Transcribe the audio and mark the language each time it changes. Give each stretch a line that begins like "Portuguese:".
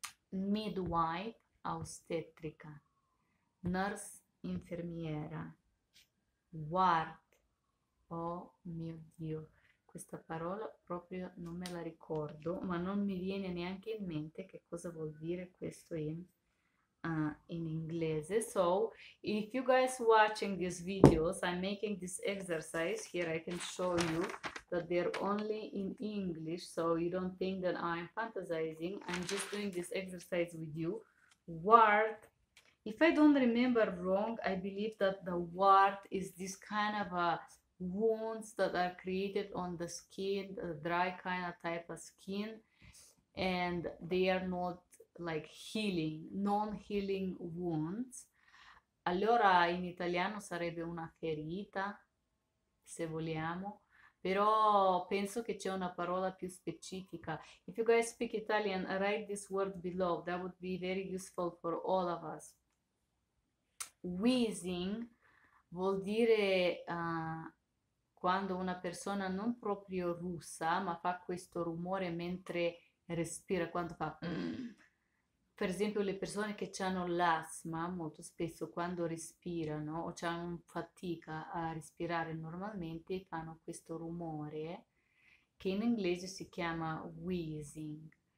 Italian: Midwife, ostetrica. Nurse, infermiera. Ward, oh mio Dio, questa parola proprio non me la ricordo, ma non mi viene neanche in mente che cosa vuol dire questo in inglese.
English: So if you guys watching these videos, I'm making this exercise here, I can show you that they're only in English, so you don't think that I'm fantasizing. I'm just doing this exercise with you. Wart, if I don't remember wrong, I believe that the wart is this kind of a wounds that are created on the skin, a dry kind of type of skin, and they are not like healing, non-healing wounds.
Italian: Allora in italiano sarebbe una ferita, se vogliamo, però penso che c'è una parola più specifica.
English: If you guys speak Italian, write this word below, that would be very useful for all of us.
Italian: Wheezing vuol dire quando una persona non proprio russa, ma fa questo rumore mentre respira, quando fa Per esempio, le persone che hanno l'asma molto spesso quando respirano o hanno fatica a respirare normalmente fanno questo rumore che in inglese si chiama wheezing.